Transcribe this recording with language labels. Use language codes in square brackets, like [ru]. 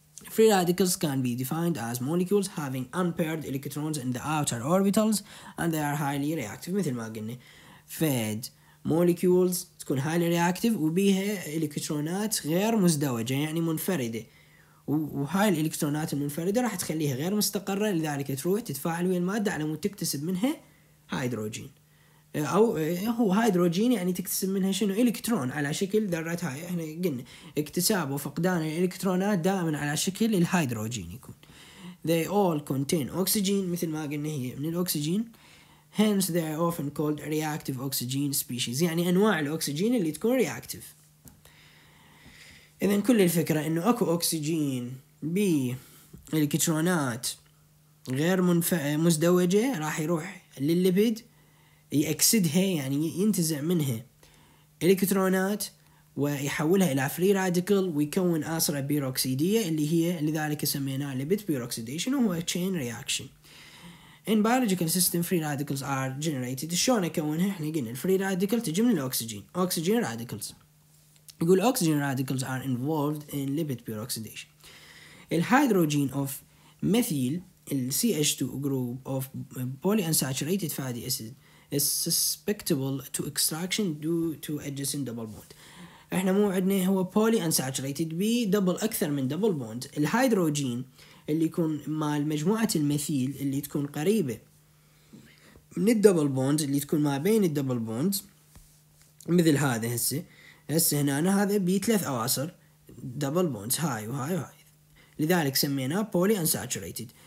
[en] free radicals can be defined as molecules having unpaired electrons in the outer orbitals and they are highly reactive [ar] مثل ما قلنا fed molecules تكون highly reactive وبيها الكترونات غير مزدوجة يعني منفردة، وهاي الالكترونات المنفردة راح تخليها غير مستقرة، لذلك تروح تتفاعل ويا المادة على مود تكتسب منها هيدروجين، او هو هيدروجين يعني تكتسب منها شنو الكترون على شكل ذرة. هاي احنا قلنا اكتساب وفقدان الالكترونات دائما على شكل الهيدروجين يكون. [en] they all contain oxygen [ar] مثل ما قلنا هي من الاكسجين. [en] Hence they are often called reactive oxygen species. [ar] يعني أنواع الأكسجين اللي تكون reactive. إذن كل الفكرة إنه أكو أكسجين بإلكترونات غير مزدوجة راح يروح للليبيد يأكسدها يعني ينتزع منها إلكترونات ويحولها إلى free radical ويكون آسرة بيروكسيدية اللي هي لذلك سميناها lipid peroxidation وهو chain reaction. [en] In biological system, free radicals are generated. [ar] شلون يكونها؟ إحنا قلنا free radicals تجي من الأكسجين. [en] Oxygen radicals. [ar] يقول [en] oxygen radicals are involved in lipid peroxidation. الهيدروجين of methyl, CH2 group of polyunsaturated fatty acid, is susceptible to extraction due to adjacent double bond. [ar] إحنا مو عندنا هو polyunsaturated بـ double أكثر من double bond. الهيدروجين اللي يكون مع المجموعة المثيل اللي تكون قريبة من الدبل بوند اللي تكون ما بين الدبل بوند مثل هذا هسه هنا أنا هذا بثلاث أواصر دبل بوند هاي وهاي وهاي، لذلك سميناه بولي أنساتوريتيد.